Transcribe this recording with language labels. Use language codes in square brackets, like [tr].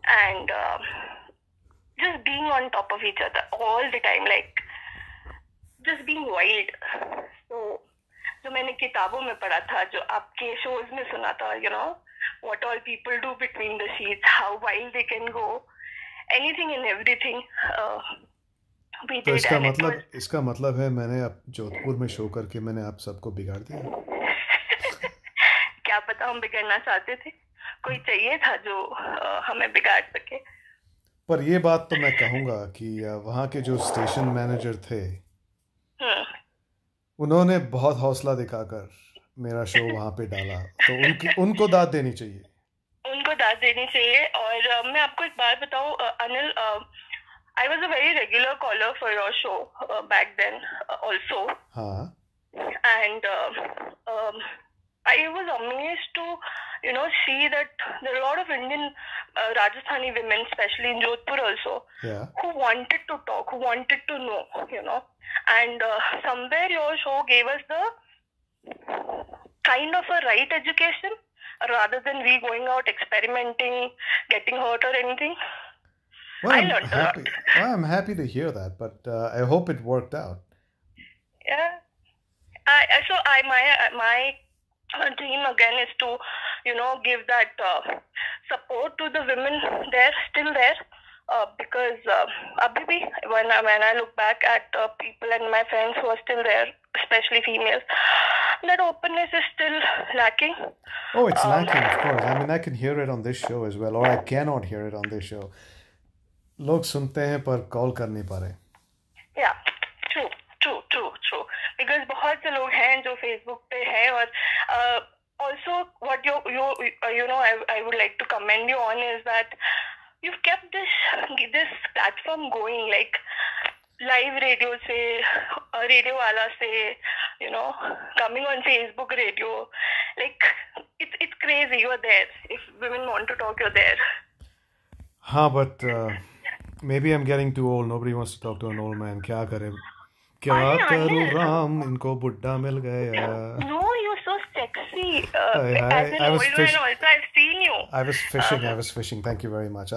[en] And just being on top of each other all the time, like just being wild. So [hi] jo maine kitabon mein padha tha, jo aapke shows mein suna tha, [en] you know, what all people do between the sheets, how wild they can go, anything and everything, We [hi] तो [en] did, and it was. [hi] इसका मतलब है मैंने आप जोधपुर में show करके मैंने आप सबको बिगाड़ दिया। क्या पता हम बिगड़ना चाहते थे, कोई चाहिए था जो हमें बिगाड़ सके. हाँ पर ये बात तो मैं कहूंगा कि वहां के जो स्टेशन मैनेजर थे उन्होंने बहुत हौसला दिखाकर मेरा शो वहां पे डाला, तो उनकी उनको दाद देनी चाहिए। दाद देनी चाहिए. और मैं आपको एक बात बताऊं [en] Anil, I was a very regular caller for your show back then also, and [hi] हाँ [en] I was amazed to you know see that there lot of Indian Rajasthani women specially in Jodhpur also yeah who wanted to talk, who wanted to know you know, and somewhere your show gave us the kind of a right education rather than we going out experimenting getting hurt और anything. I learn a lot. Well, I'm happy to hear that, but I hope it worked out. Yeah, I so I my dream again is to you know give that support to the women there still there, because [hi] abhi bhi [en] when I look back at people and my friends who are still there, especially females, that openness is still lacking. Oh, it's lacking, of course. I mean, I can hear it on this show as well, or I cannot hear it on this show. [hi] लोग सुनते हैं पर call कर नहीं पा रहे। [en] Yeah, true, true, true, true. [hi] Because बहुत से लोग हैं जो फेसबुक पे हैं. [en] और also what you know I would like to commend you on is that you've kept this platform going, like live radio से, [hi] रेडियो वाला से, [en] you know coming on Facebook radio, like it's crazy. You are there. If women want to talk, you're there. हाँ but maybe I am getting too old, nobody wants to talk to an old man. [hi] क्या करें क्या करूं राम, इनको बुड्ढा मिल गया। [en] No, you're so sexy. As an I was old fish man also, I've seen you. I was fishing, I was fishing. Thank you very much.